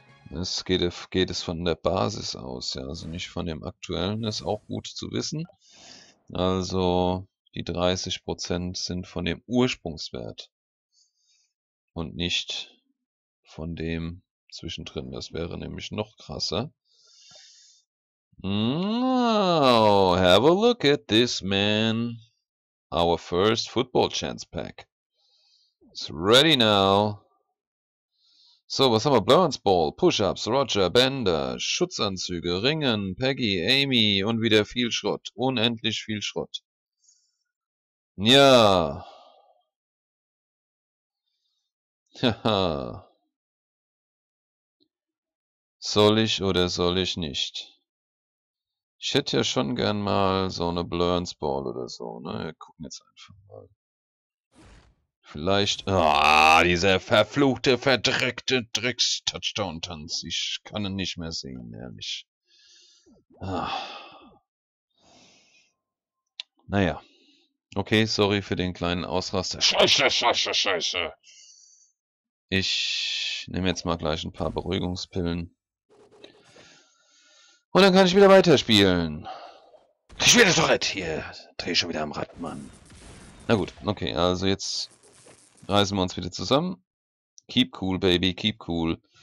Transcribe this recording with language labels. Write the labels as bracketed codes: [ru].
[de] Es geht es von der Basis aus, ja, also nicht von dem aktuellen, ist auch gut zu wissen. Also, die 30% sind von dem Ursprungswert. Und nicht von dem zwischendrin. Das wäre nämlich noch krasser. [en] Now, have a look at this man. Our first football chance pack. It's ready now. [de] So, was haben wir? Burns Ball, Push-Ups, Roger, Bänder, Schutzanzüge, Ringen, Peggy, Amy und wieder viel Schrott. Unendlich viel Schrott. Ja. Haha. Soll ich oder soll ich nicht? Ich hätte ja schon gern mal so eine Blurns Ball oder so, ne? Wir gucken jetzt einfach mal. Vielleicht. Ah, dieser verfluchte, verdreckte Drecks-Touchdown-Tanz. Ich kann ihn nicht mehr sehen, ehrlich. Ah. Naja. Okay, sorry für den kleinen Ausraster. Scheiße, scheiße, scheiße. Ich nehme jetzt mal gleich ein paar Beruhigungspillen. Und dann kann ich wieder weiterspielen. Ich will das doch nicht hier. Dreh schon wieder am Rad, Mann. Na gut, okay, also jetzt reißen wir uns wieder zusammen. [en] Keep cool, Baby, keep cool.